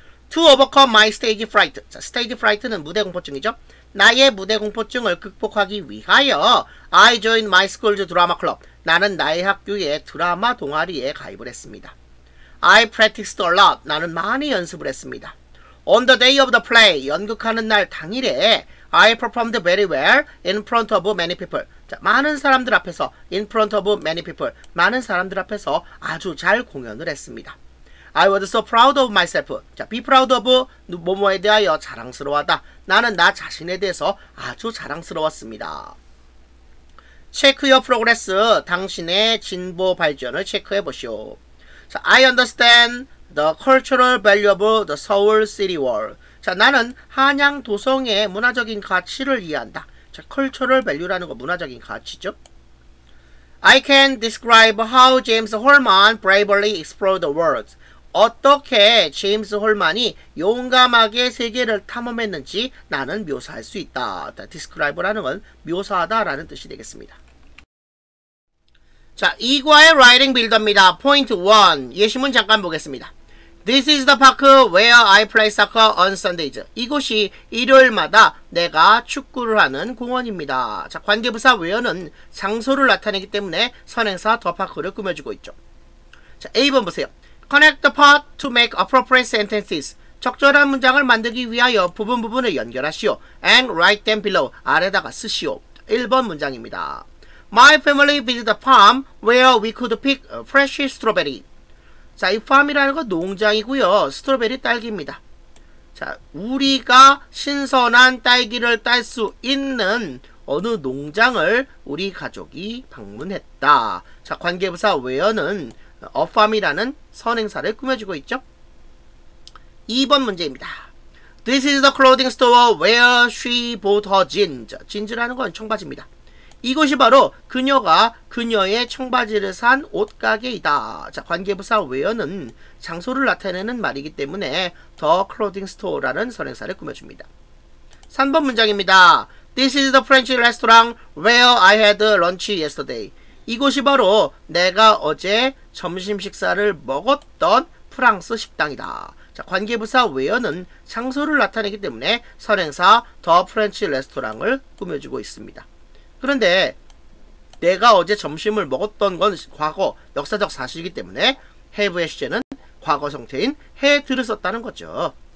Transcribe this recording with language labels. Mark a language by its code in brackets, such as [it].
[en] To overcome my stage fright. 자, stage fright는 [ko] 무대 공포증이죠. 나의 무대 공포증을 극복하기 위하여 [en] I joined my school's drama club. [ko] 나는 나의 학교의 드라마 동아리에 가입을 했습니다. [en] I practiced a lot. [ko] 나는 많이 연습을 했습니다. [en] On the day of the play, [ko] 연극하는 날 당일에 [en] I performed very well in front of many people. [ko] 자, 많은 사람들 앞에서, [en] in front of many people, [ko] 많은 사람들 앞에서 아주 잘 공연을 했습니다. [en] I was so proud of myself. 자, be proud of [ko] 뭐뭐에 대하여 자랑스러워하다. 나는 나 자신에 대해서 아주 자랑스러웠습니다. [en] Check your progress. [ko] 당신의 진보 발전을 체크해 보시오. [en] 자, I understand the cultural value of the Seoul City Wall. [ko] 자, 나는 한양 도성의 문화적인 가치를 이해한다. 자, cultural value라는 거 문화적인 가치죠. [en] I can describe how James Holman bravely explored the world. [ko] 어떻게 제임스 홀만이 용감하게 세계를 탐험했는지 나는 묘사할 수 있다. Describe라는 건 묘사하다 라는 뜻이 되겠습니다. 자, 2과의 Writing Builder입니다. Point 1. 예시문 잠깐 보겠습니다. [en] This is the park where I play soccer on Sundays. [ko] 이곳이 일요일마다 내가 축구를 하는 공원입니다. 자, 관계부사 where는 장소를 나타내기 때문에 선행사 the park를 꾸며주고 있죠. 자, A번 보세요. [en] Connect the part to make appropriate sentences. [ko] 적절한 문장을 만들기 위하여 부분 부분을 연결하시오. [en] And write them below. [ko] 아래다가 쓰시오. 1번 문장입니다. [en] My family visit the farm where we could pick fresh strawberry. [ko] 자, 이 farm이라는 건 농장이고요. 스트로베리 딸기입니다. 자, 우리가 신선한 딸기를 딸 수 있는 어느 농장을 우리 가족이 방문했다. 자, 관계부사 where는 a farm이라는 선행사를 꾸며주고 있죠. 2번 문제입니다. [en] This is the clothing store where she bought her jeans. [ko] Jeans라는 건 청바지입니다. 이곳이 바로 그녀가 그녀의 청바지를 산 옷가게이다. 자, 관계부사 where는 장소를 나타내는 말이기 때문에 the clothing store라는 선행사를 꾸며줍니다. 3번 문장입니다. [en] This is the French restaurant where I had lunch yesterday. [ko] 이곳이 바로 내가 어제 점심 식사를 먹었던 프랑스 식당이다. 자, 관계부사 where는 장소를 나타내기 때문에 선행사 the French restaurant을 꾸며주고 있습니다. 그런데 내가 어제 점심을 먹었던 건 과거 역사적 사실이기 때문에 have의 시제는 과거 성태인 had를 썼다는 거죠.